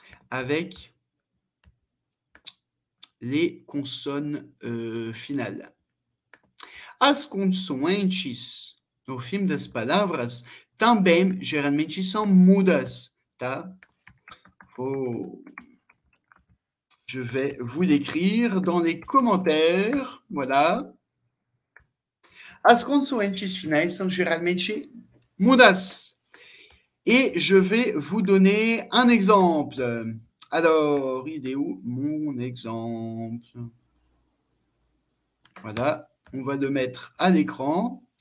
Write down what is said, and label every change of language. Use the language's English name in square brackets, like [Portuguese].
[French] Avec les consonnes finales. [Portuguese] As consoantes, no fim das palavras, também geralmente são mudas, tá? [French] Je vais vous l'écrire dans les commentaires, voilà. [Portuguese] As consoantes finais são geralmente mudas. [French] Et je vais vous donner un exemple. Alors, il est où mon exemple? Voilà, on va le mettre à l'écran.